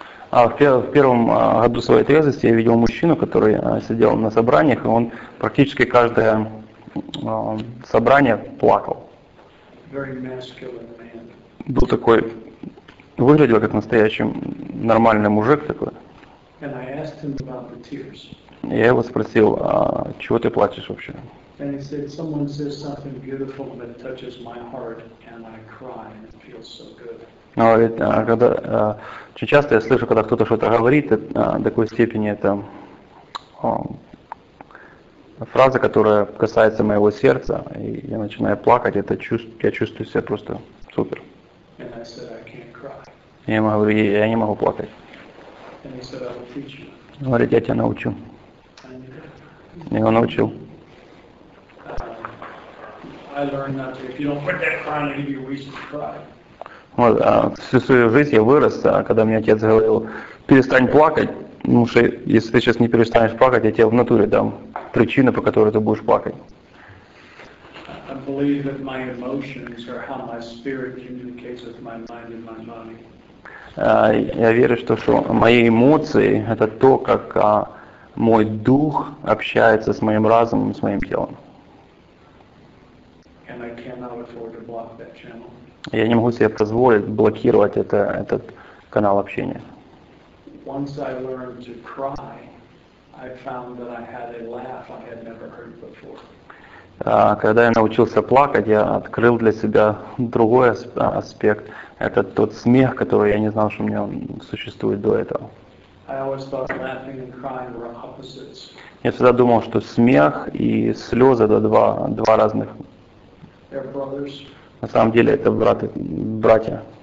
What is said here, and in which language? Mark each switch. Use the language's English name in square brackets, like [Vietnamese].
[Russian] В первом году своей трезвости я видел мужчину, который сидел на собраниях, и он практически каждое собрание плакал. [English] Very masculine man. [Russian] Был такой, выглядел как настоящий нормальный мужик такой. [English] And I asked him about the tears. [Russian] Я его спросил, чего ты плачешь вообще? [English] And he said, someone says something beautiful that touches my heart, and I cry, and it feels so good. [Russian] Но когда очень часто я слышу, когда кто-то что-то говорит, до такой степени это фраза, которая касается моего сердца, и я начинаю плакать, это чувств, я чувствую себя просто супер. [English] And I said, I can't cry. [Russian] Я ему говорю, я не могу плакать. [English] And he said, I will teach you. [Russian] Говорит, я тебя научу. Я его научил. [English] I learned not to, if you don't put that crying, I'll give you a reason to cry. [Russian] Вот, всю свою жизнь я вырос, когда мне отец говорил, перестань плакать, потому что если ты сейчас не перестанешь плакать, я тебе в натуре дам причину, по которой ты будешь плакать. Я верю, что мои эмоции – это то, как мой дух общается с моим разумом, с моим телом. [English] And I cannot afford to block that channel. [Russian] Я не могу себе позволить блокировать этот канал общения. [English] Once I learned to cry, I found that I had a laugh I had never heard before. [Russian] Когда я научился плакать, я открыл для себя другой аспект. Это тот смех, который я не знал, что у меня существует до этого. [English] I always thought laughing and crying were opposites. [Russian] Я всегда думал, что смех и слезы — это два разных. [English] They're brothers. [Russian] На самом деле это братья.